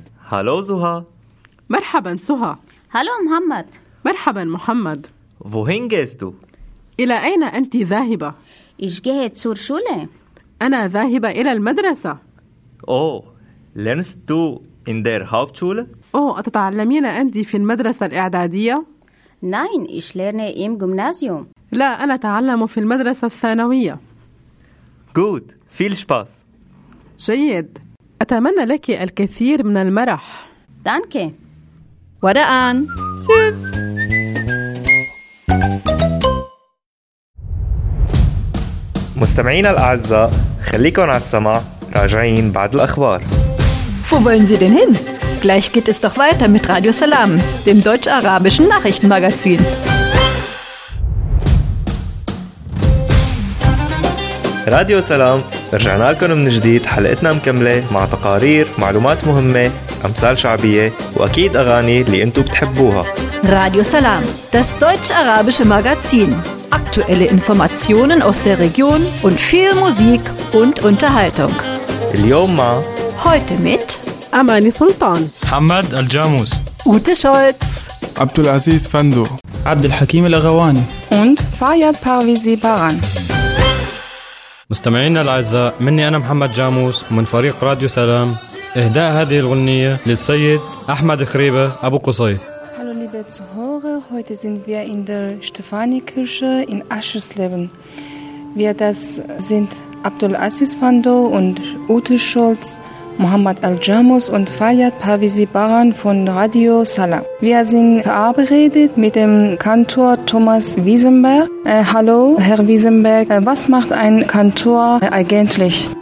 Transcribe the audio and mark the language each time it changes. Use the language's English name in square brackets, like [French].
[German] Hallo, Suha. [Arabic] Merhaban, Suha. [German] Hallo, Mohammed. [Arabic] Merhaban, Mohammed. [German] Wohin gehst du? [Arabic] إلى أين أنت ذاهبة؟ [German] Ich gehe zur Schule. [Arabic] أنا ذاهبة إلى المدرسة. [German] Oh, lernst du in der Hauptschule? [Arabic] Oh, أتتعلمين أنت في المدرسة الإعدادية؟ [German] Nein, ich lerne im Gymnasium. [Arabic] لا، أنا أتعلم في المدرسة الثانوية. [German] Good. Viel Spaß. [Arabic] جيد. أتمنى لك الكثير من المرح. [German] Danke. [Arabic] ودعان. [German] Tschüss. [Arabic] مستمعين الأعزاء، خليكم على السماع، راجعين بعد الأخبار. [German] Wo wollen Sie denn hin? Gleich geht es doch weiter mit Radio Salam, dem deutsch-arabischen Nachrichtenmagazin. [Arabic] راديو سلام، رجعنا لكم من جديد. حلقتنا مكملة مع تقارير، معلومات مهمة، أمثال شعبية، وأكيد أغاني اللي أنتو بتحبوها. [German] راديو سلام، das deutsch-arabische Magazin. Aktuelle Informationen aus der Region und viel Musik und Unterhaltung. [Arabic] اليوم مع [German] heute mit [Arabic] أماني سلطان، محمد الجاموس، Ute Scholz، عبد العزيز فندو، عبد الحكيم الأغواني، [German] und Fayyad Parvizi Baran. [Arabic] مستمعينا الأعزاء، مني أنا محمد جاموس ومن فريق راديو سلام، إهداء هذه الغنية للسيد أحمد خريبة أبو قصي. [German] Hallo liebe Zuhörer, heute sind wir in der Stefanikirche in Aschersleben. Wir das sind Abdul Aziz Fando und Ute Scholz, Mohammed Al Jamus und Fayyad Parvizi Baran von Radio Salam. Wir sind verabredet mit dem Kantor Thomas Wiesenberg. Hallo, Herr Wiesenberg. Was macht ein Kantor eigentlich?